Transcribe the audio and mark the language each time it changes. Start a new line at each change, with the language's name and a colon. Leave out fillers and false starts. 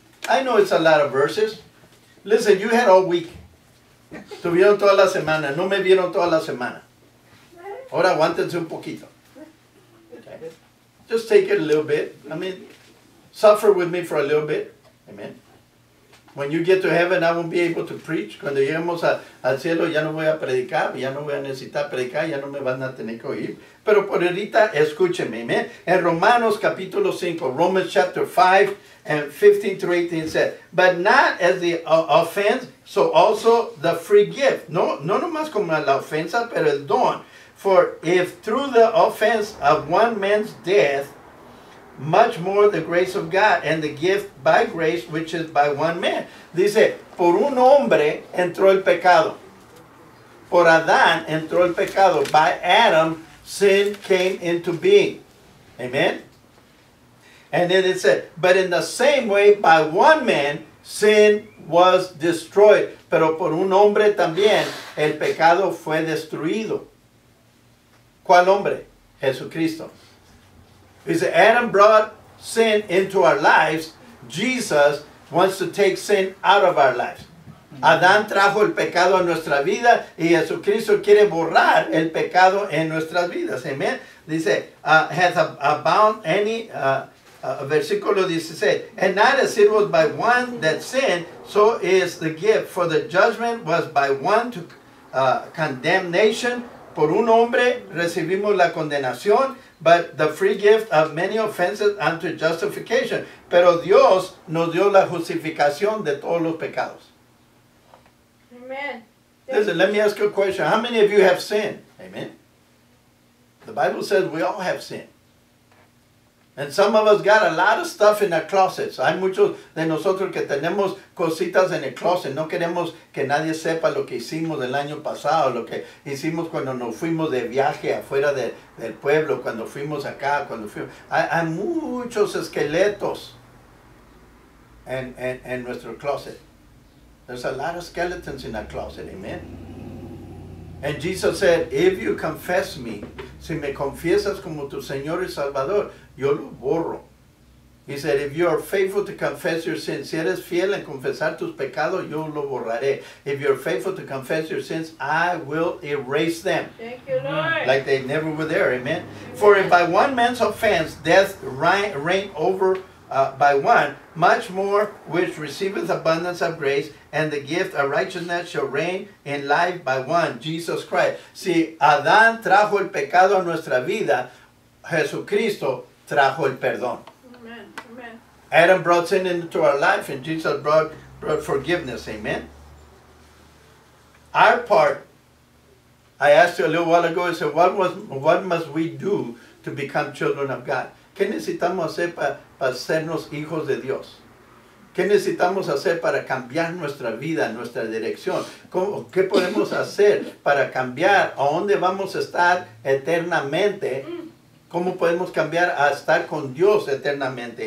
English: I know it's a lot of verses. Listen, you had all week.
Spanish: Tuvieron toda la semana. No me vieron toda la semana. Ahora aguántense un poquito.
English: Okay. Just take it a little bit. I mean, suffer with me for a little bit. Amen. When you get to heaven, I won't be able to preach.
Spanish: Cuando lleguemos al cielo, ya no voy a predicar. Ya no voy a necesitar predicar. Ya no me van a tener que oír. Pero por ahorita, escúcheme. Amen. En Romanos capítulo 5,
English: Romans chapter 5, and 15 through 18 said, but not as the offense, so also the free gift.
Spanish: No nomás como la ofensa, pero el don.
English: For if through the offense of one man's death, much more the grace of God and the gift by grace, which is by one man.
Spanish: Dice, por un hombre entró el pecado. Por Adán entró el pecado.
English: By Adam, sin came into being. Amen. And then it said, but in the same way, by one man, sin was destroyed.
Spanish: Pero por un hombre también, el pecado fue destruido. ¿Cuál hombre? Jesucristo.
English: He said, Adam brought sin into our lives. Jesus wants to take sin out of our lives.
Spanish: Adán trajo el pecado a nuestra vida y Jesucristo quiere borrar el pecado en nuestras vidas.
English: Amen. Dice, has abound any...
Spanish: versículo 16,
English: and not as it was by one that sinned, so is the gift, for the judgment was by one to condemnation,
Spanish: por un hombre recibimos la condenación,
English: but the free gift of many offenses unto justification,
Spanish: pero Dios nos dio la justificación de todos los pecados.
English: Amen. Listen, let me ask you a question, how many of you have sinned? Amen. The Bible says we all have sinned. And some of us got a lot of stuff in our closets.
Spanish: Hay muchos de nosotros que tenemos cositas en el closet. No queremos que nadie sepa lo que hicimos el año pasado, lo que hicimos cuando nos fuimos de viaje afuera del pueblo, cuando fuimos acá, cuando fuimos. Hay muchos esqueletos en nuestro closet.
English: There's a lot of skeletons in our closet.
Spanish: Amen.
English: And Jesus said, if you confess me,
Spanish: si me confiesas como tu Señor y Salvador, yo lo borro.
English: He said, if you are faithful to confess your sins,
Spanish: si eres fiel en confesar tus pecados, yo lo borraré.
English: If you are faithful to confess your sins, I will erase them. Thank you, Lord. Like they never were there, amen? Amen. For if by one man's offense, death reigned over by one, much more which receiveth abundance of grace, and the gift of righteousness shall reign in life by one, Jesus Christ.
Spanish: Si Adán trajo el pecado a nuestra vida, Jesucristo trajo el perdón.
English: Amen. Amen. Adam brought sin into our life, and Jesus brought forgiveness. Amen. Our part, I asked you a little while ago, I said, what must we do to become children of God?
Spanish: ¿Qué necesitamos hacer para sernos hijos de Dios? ¿Qué necesitamos hacer para cambiar nuestra vida, nuestra dirección? ¿Qué podemos hacer para cambiar a dónde vamos a estar eternamente? ¿Cómo podemos cambiar a estar con Dios eternamente?